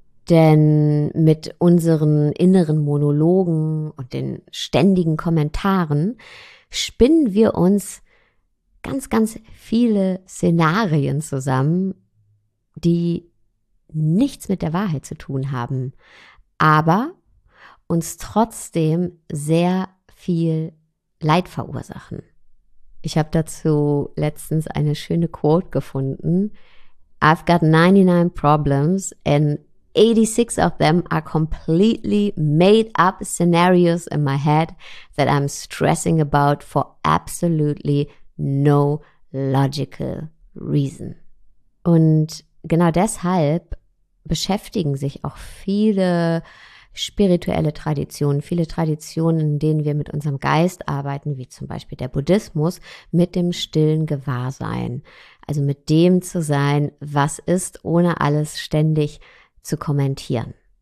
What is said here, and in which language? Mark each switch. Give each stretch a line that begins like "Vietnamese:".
German: Denn mit unseren inneren Monologen und den ständigen Kommentaren spinnen wir uns ganz, ganz viele Szenarien zusammen, die nichts mit der Wahrheit zu tun haben, aber uns trotzdem sehr viel Leid verursachen. Ich habe dazu letztens eine schöne Quote gefunden.
English: I've got 99 problems and 86 of them are completely made up scenarios in my head that I'm stressing about for absolutely no logical reason.
German: Und genau deshalb beschäftigen sich auch viele spirituelle Traditionen, viele Traditionen, in denen wir mit unserem Geist arbeiten, wie zum Beispiel der Buddhismus, mit dem stillen Gewahrsein. Also mit dem zu sein, was ist, ohne alles ständig zu kommentieren.